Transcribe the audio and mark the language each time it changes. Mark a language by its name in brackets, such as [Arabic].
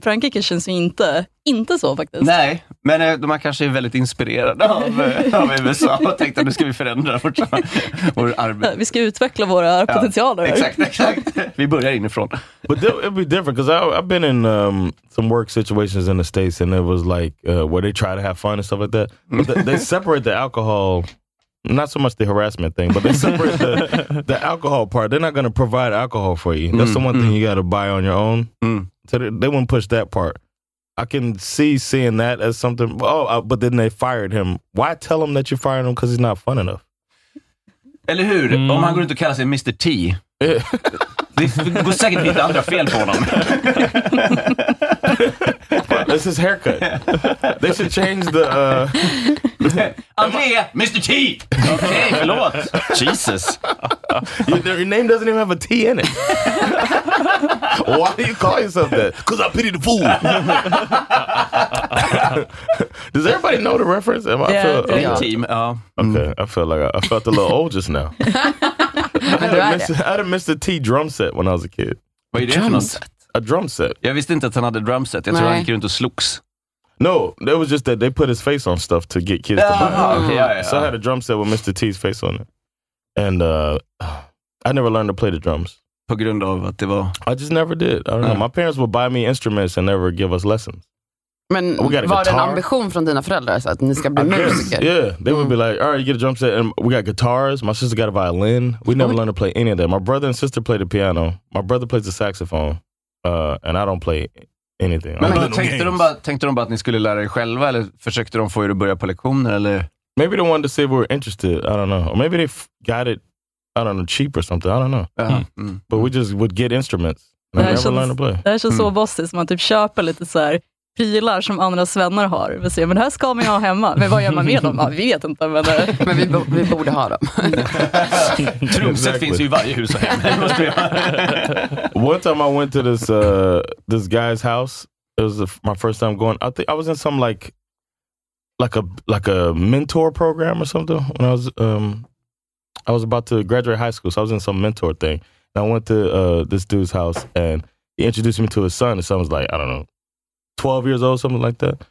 [Swedish] Frankrike känns inte så faktiskt. Nej, men de här kanske är väldigt inspirerade av USA och tänkte att nu ska vi förändra vår arbete. Vi ska utveckla utveckla våra potentialer. Exakt. Vi börjar inifrån. [English] But it'll be different because I've been in some work situations in the States and it was like where they try to have fun and stuff like that. But they separate the alcohol. Not so much the harassment thing, but they separate the alcohol part. They're not going to provide alcohol for you. That's the one thing you got to buy on your own. So they wouldn't push that part. I can see seeing that as something. But then they fired him. Why tell him that you fired him? Because he's not fun enough. [Swedish] Eller hur? Om han går runt och kallar sig Mr. T. Det går säkert lite andra fel på honom. [English] This is haircut. They should change the... [Swedish] André, Mr. T! Okej, förlåt. Jesus. [English] Your name doesn't even have a T in it. Why do you call yourself that? Because I pity the fool. Does everybody know the reference? Am I team. Okay, I feel like I felt a little old just now. I had a Mr. T drum set when I was a kid. [Swedish] Vad är det för något? [English] A drum set. [Swedish] Jag visste inte att han hade drum set. Jag tror han gick runt och slogs. [English] No, it was just that they put his face on stuff to get kids to buy. So I had a drum set with Mr. T's face on it. And I never learned to play the drums. [Swedish] På grund av att det var... [English] I just never did. I don't know. My parents would buy me instruments and never give us lessons. [Swedish] Men var det en ambition från dina föräldrar så att ni ska bli musiker? [English] Yeah, they would be like, all right, you get a drum set. And we got guitars. My sister got a violin. We never learned to play any of that. My brother and sister play the piano. My brother plays the saxophone. And I don't play anything. [Swedish] Men tänkte de bara att ni skulle lära er själva? Eller försökte de få er att börja på lektioner? Eller? [English] Maybe they wanted to see if we were interested. I don't know. Or maybe they got it, I don't know, cheap or something. I don't know. But we just would get instruments. And I never learned to play. [Swedish] Det här känns så bossigt som man typ köper lite så här pilar som andra svennar har. Vi säger, men det här ska man ha hemma. Men vad gör man med dem? Ja, vi vet inte. Men, men vi borde ha dem. Trumset exactly. Finns ju i varje hus och hem. [English] One time I went to this this guy's house. It was my first time going. I think I was in some like a mentor program or something. When I was about to graduate high school. So I was in some mentor thing. And I went to this dude's house. And he introduced me to his son. His son was like, I don't know, 12 years old, something like that.